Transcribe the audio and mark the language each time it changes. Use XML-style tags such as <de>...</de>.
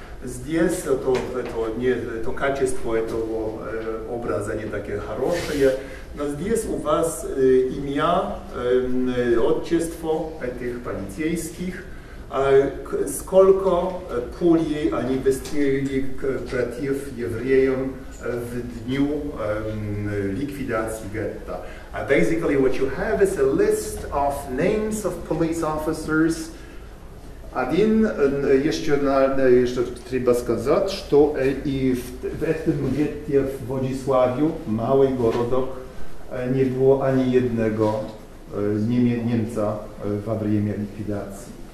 <ru>Здесь это качество этого образа не такое хорошее, но здесь у вас имя, отчество этих полицейских, сколько пулей они выстрелили против евреям в дню ликвидации гетто.</ru> <en>Basically what you have is a list of names of police officers.</en> <ru>Один, еще треба сказать, что и в этом гетте в Владиславе, малый городок, не было ни одного немца во время ликвидации.</ru>